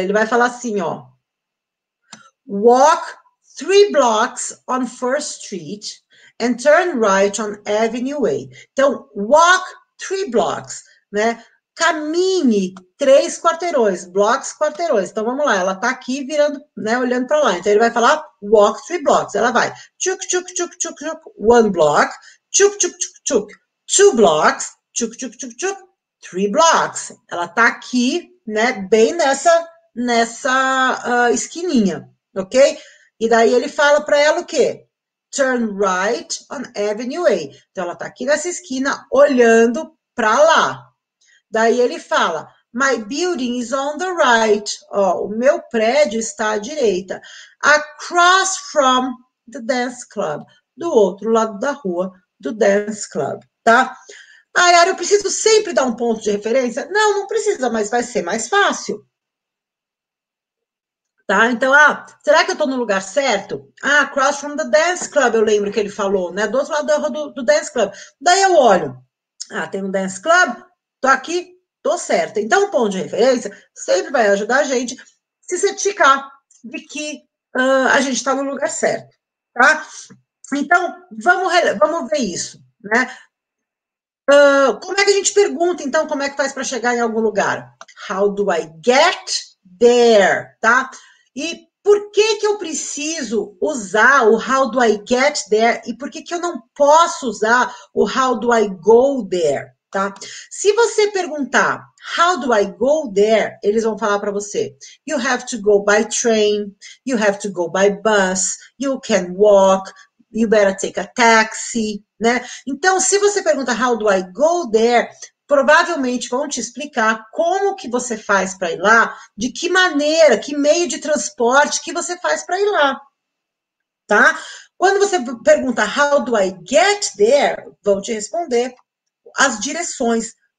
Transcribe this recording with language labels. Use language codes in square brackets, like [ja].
[pt] Ele vai falar assim, ó. [en] Walk three blocks on First Street and turn right on Avenue A. [pt] Então, [en] walk three blocks, né? [pt] Caminhe três quarteirões, blocks quarteirões. Então vamos lá, ela tá aqui virando, né, olhando para lá. Então ele vai falar [en] walk three blocks. [pt] Ela vai tchuc, tchuc, tchuc, tchuc, tchuc, [en] one block, [pt] tchuc, tchuc, tchuc, tchuc, [en] two blocks, [pt] tchuc, tchuc, tchuc, tchuc, [en] three blocks. [pt] Ela tá aqui, né, bem nessa esquininha, ok? E daí ele fala para ela o quê? [en] Turn right on Avenue A. [pt] Então ela tá aqui nessa esquina olhando para lá. Daí ele fala, [en] my building is on the right. [pt] Ó, o meu prédio está à direita. [en] Across from the dance club. [pt] Do outro lado da rua do dance club, tá? Ah, Yara, eu preciso sempre dar um ponto de referência? Não, não precisa, mas vai ser mais fácil. Tá? Então, ah, será que eu tô no lugar certo? Ah, [en] across from the dance club, [pt] eu lembro que ele falou, né? Do outro lado da rua do dance club. Daí eu olho. Ah, tem um dance club? Tô aqui, tô certa. Então, o ponto de referência sempre vai ajudar a gente se certificar de que a gente está no lugar certo, tá? Então, vamos ver isso, né? Como é que a gente pergunta, então, como é que faz para chegar em algum lugar? [en] How do I get there, [pt] tá? E por que que eu preciso usar o [en] how do I get there [pt] e por que que eu não posso usar o [en] how do I go there, [pt] tá? Se você perguntar [en] how do I go there, [pt] eles vão falar para você: [en] you have to go by train, you have to go by bus, you can walk, you better take a taxi, né? [pt] Então, se você pergunta [en] how do I go there, [pt] provavelmente vão te explicar como que você faz para ir lá, de que maneira, que meio de transporte que você faz para ir lá, tá? Quando você pergunta [en] how do I get there, [pt] vão te responder as direções.